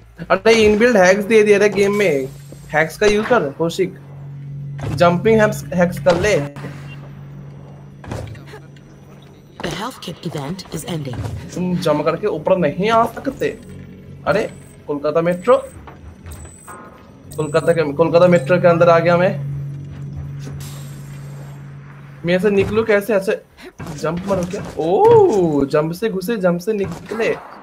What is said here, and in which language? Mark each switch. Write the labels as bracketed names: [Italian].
[Hindi] अरे inbuilt hacks दे दिया रे गेम में, हैक्स का यूज कर कौशिक, जंपिंग हैक्स कर ले। [English] The health kit event is ending. [Hindi] तुम जम करके ऊपर नहीं आ सकते? अरे कोलकाता मेट्रो, कोलकाता मेट्रो के अंदर आ गया मैं। मैं ऐसे निकलू कैसे? ऐसे जंप मारो क्या? ओ जंप से घुसे, जंप से निकले।